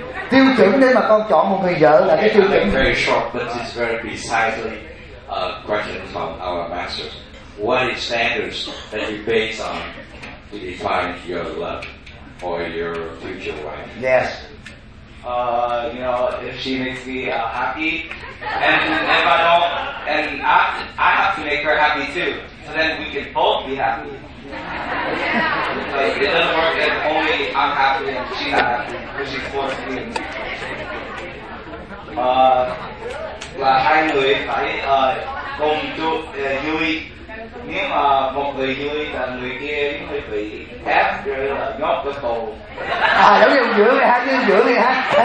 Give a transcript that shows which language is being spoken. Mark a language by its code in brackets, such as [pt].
[vi] Tiêu chuẩn để mà con chọn một người vợ là cái tiêu chuẩn. [en] Very short, but it's very precisely a question from our masters. What is standards that you base on to define your love or your future wife? Yes. You know, if she makes me happy, and if I don't, and I have to make her happy too, so then we can both be happy. Like, it doesn't work if only I'm happy and she's not happy, because she's forced to be. [vi] Là hai người phải cùng chung vui. Nếu mà một người vui là người kia phải bị ép rồi là nhốt vào tù. À, giống như ông giữa này ha, như ông giữa này ha.